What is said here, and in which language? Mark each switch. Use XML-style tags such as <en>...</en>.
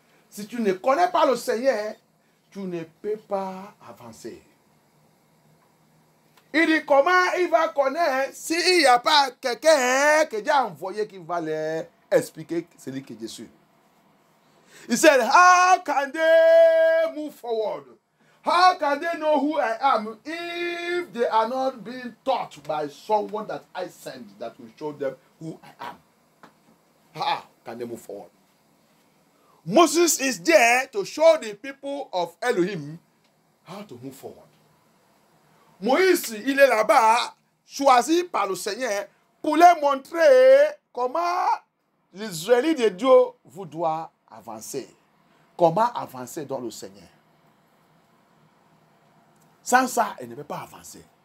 <fr>Si tu ne connais pas le Seigneur, tu ne peux pas avancer. Il dit comment il va connaître s'il n'y a pas quelqu'un que Dieu a envoyé qui va leur expliquer celui que je suis.</fr> <en>Il said, how can they move forward? How can they know who I am if they are not being taught by someone that I send that will show them who I am? How can they move forward? Moses is there to show the people of Elohim how to move forward.</en> <fr>Moïse, il est là-bas, choisi par le Seigneur pour leur montrer comment l'Israélite de Dieu vous doit avancer. Comment avancer dans le Seigneur. Sans ça, il ne peut pas avancer.</fr>